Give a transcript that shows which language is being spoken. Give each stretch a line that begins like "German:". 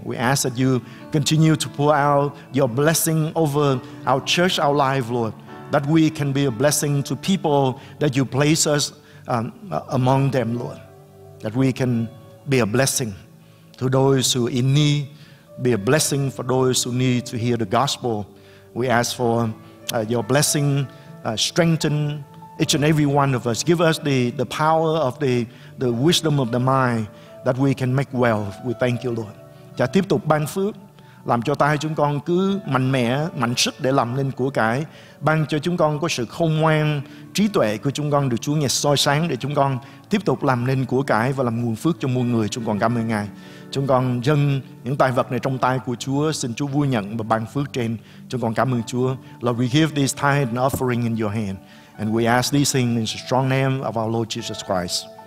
English: We ask that you continue to pour out your blessing over our church, our life, Lord, that we can be a blessing to people that you place us among them, Lord, that we can be a blessing to those who are in need, be a blessing for those who need to hear the gospel. We ask for your blessing, strengthen each and every one of us. Give us the power of the wisdom of the mind, that we can make wealth. We thank you, Lord.
Vietnamese: Cha tiếp tục ban phước, làm cho tay chúng con cứ mạnh mẽ, mạnh sức để làm nên của cải. Ban cho chúng con có sự khôn ngoan, trí tuệ của chúng con được Chúa Ngài soi sáng để chúng con tiếp tục làm nên của cải và làm nguồn phước cho muôn người. Chúng con cảm ơn Ngài. Chúng con dâng những tài vật này trong tay của Chúa. Xin Chúa vui nhận và ban phước trên. Chúng con cảm ơn Chúa.
English: Lord, we give this tithe and offering in your hand. And we ask these things in the strong name of our Lord Jesus Christ.